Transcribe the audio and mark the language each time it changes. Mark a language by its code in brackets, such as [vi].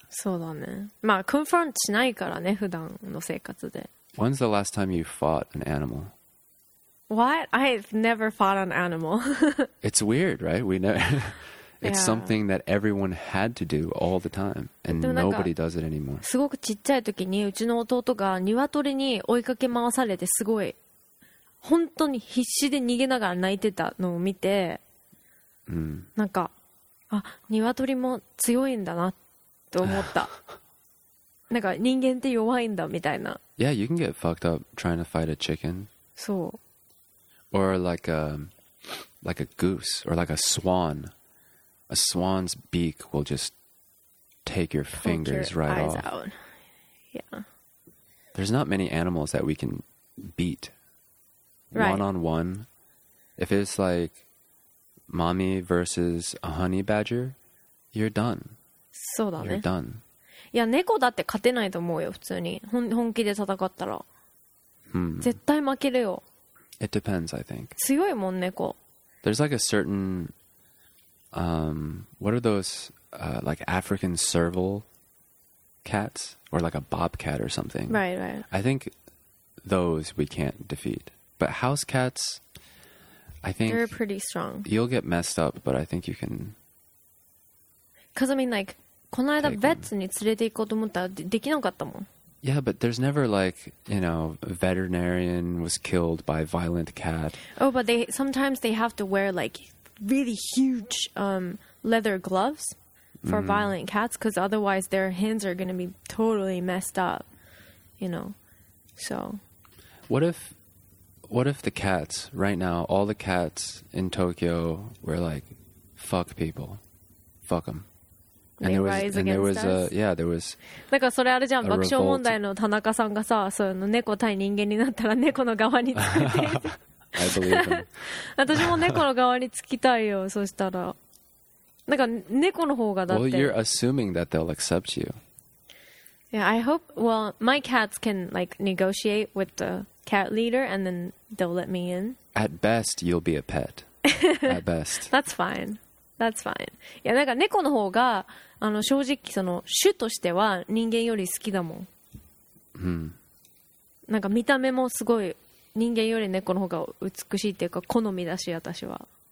[ja] そうだね。まあ、confront しないからね、普段の生活で。 [en] When's the last time you fought an animal? What? I've never fought an animal. It's weird, right? We never... It's something that everyone had to do all the time, and nobody does it anymore. [ja] すごくちっちゃい時にうちの弟が鶏に追いかけ回されて、すごい本当に必死で逃げながら泣いてたのを見て、 mm. なんかあ、鶏も強いんだなと思った。なんか人間って弱いんだみたいな。 [en] Yeah, you can get fucked up trying to fight a chicken. [ja] そう。 [en] Or like a goose, or like a swan. A swan's beak will just take your fingers right off. Poke your eyes out. Yeah. There's not many animals that we can beat. Right. One-on-one. If it's like mommy versus a honey badger, you're done. [ja] そうだね。 [en] You're done. [ja] いや、猫だって勝てないと思うよ、普通に。本気で戦ったら。絶対負けるよ。 [en] It depends, I think. [ja] 強いもん、猫。 [en] There's like a certain... what are those like African serval cats or like a bobcat or something? Right, right. I think those we can't defeat. But house cats, I think they're pretty strong. You'll get messed up, but I think you can. Because I mean, like, [ja] この間ベッツに連れて行こうと思ったらできなかったもん。 [en] Yeah, but there's never like, you know, a veterinarian was killed by a violent cat. Oh, but sometimes they have to wear like. Really huge leather gloves for violent cats because otherwise their hands are going to be totally messed up, you know. So, what if the cats right now, all the cats in Tokyo were like, fuck people, fuck them. And there was, and there was a, yeah, there was. [ja] なんかそれあれじゃん、爆笑問題の田中さんがさ、その猫対人間になったら猫の側に。 [en] I believe them. [ja] 私も猫の側につきたいよ、そしたら。なんか猫の方がだって。 [en] Well, you're assuming that they'll accept you. Yeah, I hope, well, my cats can like negotiate with the cat leader and then they'll let me in. At best, you'll be a pet. At best. That's fine. That's fine. [ja] いや、なんか猫の方が、あの、正直その種としては人間より好きだもん。 Hmm. なんか見た目もすごい人間より猫の方が美しいっていうか好みだし、私は。